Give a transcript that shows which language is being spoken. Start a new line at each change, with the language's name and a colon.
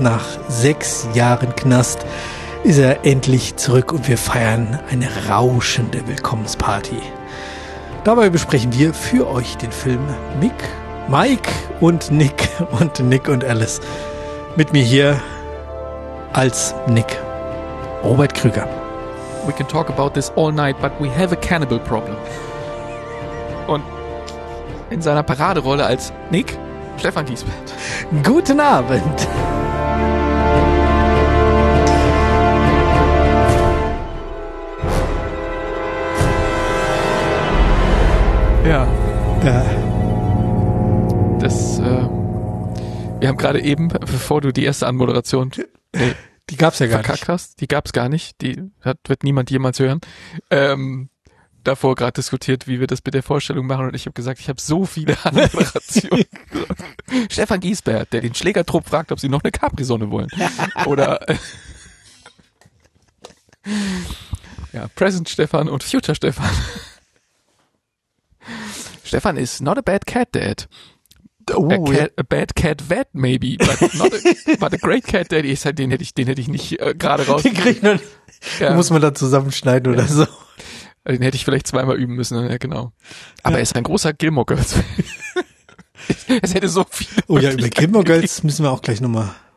German: Nach 6 Jahren Knast ist er endlich zurück und wir feiern eine rauschende Willkommensparty. Dabei besprechen wir für euch den Film Mike und Nick und Alice. Mit mir hier als Nick, Robert Krüger.
English: We can talk about this all night, but we have a cannibal problem.
German: Und in seiner Paraderolle als Nick, Stefan Diesbert. Guten Abend. Ja. Das, wir haben gerade eben, bevor du die erste Anmoderation die gab's ja gar verkackt nicht. Hast, die gab's gar nicht, die hat, wird niemand jemals hören, davor gerade diskutiert, wie wir das mit der Vorstellung machen, und ich habe gesagt, ich habe so viele Anmoderationen. Stefan Giesbert, der den Schlägertrupp fragt, ob sie noch eine Capri-Sonne wollen. Oder ja, Present Stefan und Future Stefan.
English: Stefan is not a bad cat dad. Oh, a bad cat vet maybe, but a great cat daddy.
German: Den hätte ich nicht gerade raus. Den krieg ich noch nicht. Ja. Muss man da zusammenschneiden oder so. Den hätte ich vielleicht zweimal üben müssen, ja genau. Aber ja. Er ist ein großer Gilmore Girls. Es hätte so viel. Oh ja, über Gilmore Girls müssen wir auch gleich nochmal.